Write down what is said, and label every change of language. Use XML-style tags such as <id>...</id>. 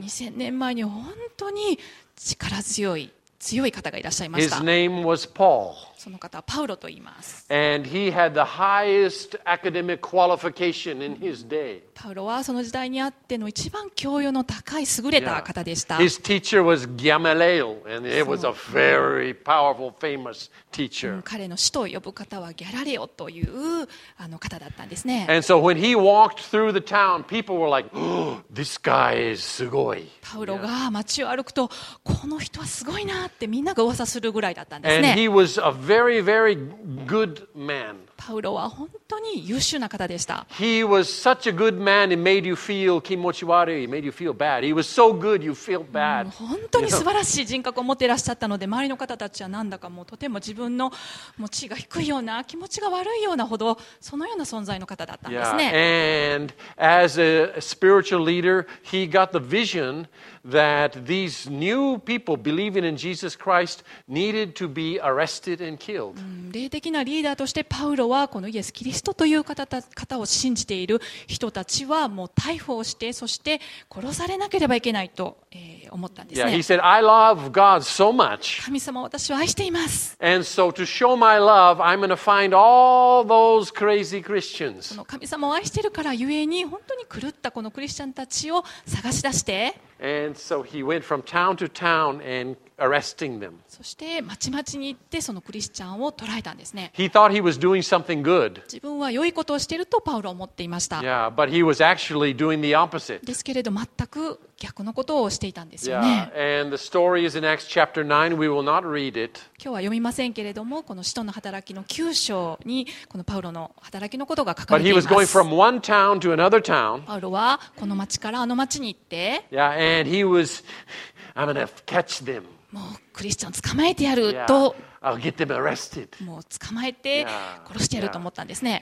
<ja>2000年前に本当に力強い強い方がいらっしゃいました。</ja> <en>His name was Paul.</en> <ja>その方はパウロと言います。</ja> <en>And he had the highest academic qualification in his day.</en> <ja>パウロはその時代にあっての一番教養の高い優れた方でした。</ja> <en>His teacher was Gamaliel, and it was a very powerful, famous teacher.</en> <ja>彼の師と呼ぶ方はギャラレオというあの方だったんですね。</ja> <en>And so when he walked through the town, people were like, oh, this guy is すごい。</en> <ja>パウロが街を歩くと、この人はすごいなってみんなが噂するぐらいだったんですね。</ja> <en>And he was a very, very good man.</en> <ja>パウロは本当に優秀な方でした。</ja> <en>He was such a good man, it made you feel 気持ち悪い、it made you feel bad. He was so good, you feel bad.</en> <ja>本当に素晴らしい人格を持っていらっしゃったので、周りの方たちはなんだかもうとても自分の地位が低いような、気持ちが悪いようなほど、そのような存在の方だったんですね。</ja> <en>Yeah. And as a spiritual leader, he got the vision. That these new people believing in Jesus Christ needed to be arrested and killed.</en> <ja>霊的なリーダーとしてパウロはこのイエス・キリストという方を信じている人たちはもう逮捕をしてそして殺されなければいけないと思ったんですね。</ja> <en>Yeah, he said, I love God so much.</en> <ja>神様私は愛しています。</ja> <en>And so to show my love, I'm going to find all those crazy Christians.</en> <ja>この神様を愛しているからゆえに本当に狂ったこのクリスチャンたちを探し出して</ja> <en>And so he went from town to town and arresting them.</en> <ja>そして町々に行ってそのクリスチャンを捕らえたんですね。</ja> <en>He thought he was doing something good.</en> <ja>自分は良いことをしているとパウロは思っていました。</ja> <en>Yeah, but he was actually doing the opposite.</en> <ja>ですけれど全く逆のことをしていたんですよね。</ja> <en>Yeah, and the story is in Acts chapter 9. We will not read it.</en> <ja>今日は読みませんけれどもこの使徒の働きの9章にこのパウロの働きのことが書かれています。</ja> <en>But he was going from one town to another town.</en> <ja>パウロはこの町からあの町に行って。</ja> <en>Yeah, and he was, I'm gonna catch them.</en> <ja>もうクリスチャン捕まえてやると、</ja> <en>yeah. I'll get them arrested.</en> <ja>もう捕まえて殺してやると思ったんですね。</ja>